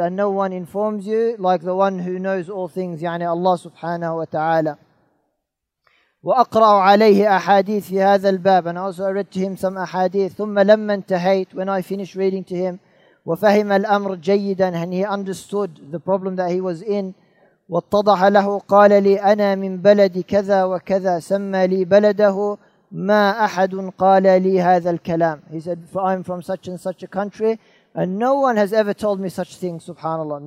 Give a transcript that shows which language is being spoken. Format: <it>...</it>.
<en>And no one informs you like the one who knows all things, يعني Allah subhanahu wa ta'ala.</en> <ar>وَأَقْرَأُ عَلَيْهِ أَحَادِيثِ فِي هَذَا الْبَابِ.</ar> <en>And also I read to him some ahadith.</en> <ar>ثُمَّ لَمَّا انْتَهَيْتُ.</ar> <en>When I finished reading to him,</en> <ar>وفهم الأمر جيدا,</ar> <en>and he understood the problem that he was in.</en> <ar>واتضح له قال لي أنا من بلد كذا وكذا سمى لي بلده ما أحد قال لي هذا الكلام.</ar> <en>He said, I'm from such and such a country and no one has ever told me such things, subhanAllah.</en>